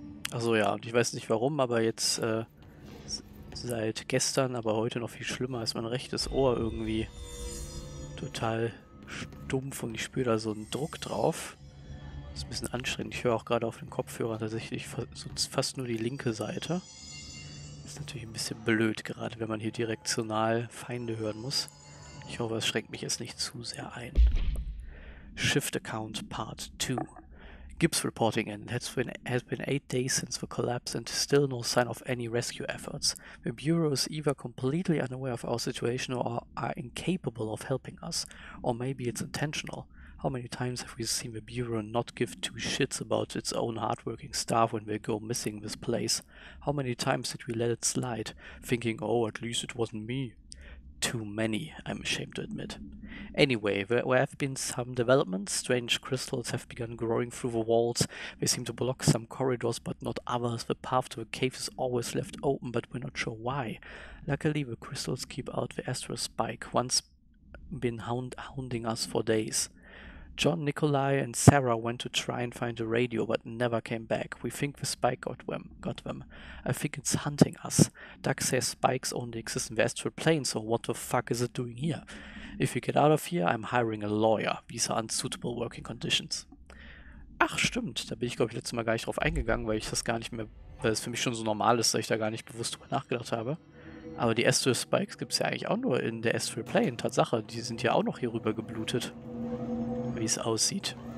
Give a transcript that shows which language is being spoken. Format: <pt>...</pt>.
<de>Also ja, und ich weiß nicht warum, aber jetzt seit gestern, aber heute noch viel schlimmer, ist mein rechtes Ohr irgendwie total stumpf und ich spüre da so einen Druck drauf. Das ist ein bisschen anstrengend. Ich höre auch gerade auf dem Kopfhörer tatsächlich fast nur die linke Seite. Ist natürlich ein bisschen blöd, gerade wenn man hier direktional Feinde hören muss. Ich hoffe, es schränkt mich jetzt nicht zu sehr ein.</de> <en>Shift Account Part 2. Gibbs reporting in. It has been 8 days since the collapse and still no sign of any rescue efforts. The Bureau is either completely unaware of our situation or are incapable of helping us. Or maybe it's intentional. How many times have we seen the Bureau not give two shits about its own hardworking staff when we go missing this place? How many times did we let it slide, thinking, oh, at least it wasn't me? Too many, I'm ashamed to admit. Anyway, there have been some developments. Strange crystals have begun growing through the walls. They seem to block some corridors, but not others. The path to the cave is always left open, but we're not sure why. Luckily, the crystals keep out the astral spike, once been hounding us for days. John, Nikolai and Sarah went to try and find a radio, but never came back. We think the spike got them. I think it's hunting us. Doug says spikes only exist in the astral plane, so what the fuck is it doing here? If you get out of here, I'm hiring a lawyer. These are unsuitable working conditions.</en> <de>Ach, stimmt. Da bin ich, glaube ich, letztes Mal gar nicht drauf eingegangen, weil ich das gar nicht mehr, weil es für mich schon so normal ist, dass ich da gar nicht bewusst drüber nachgedacht habe. Aber die Astral Spikes gibt es ja eigentlich auch nur in der Astral Plane. Tatsache, die sind ja auch noch hier rüber geblutet. Wie es aussieht.</de>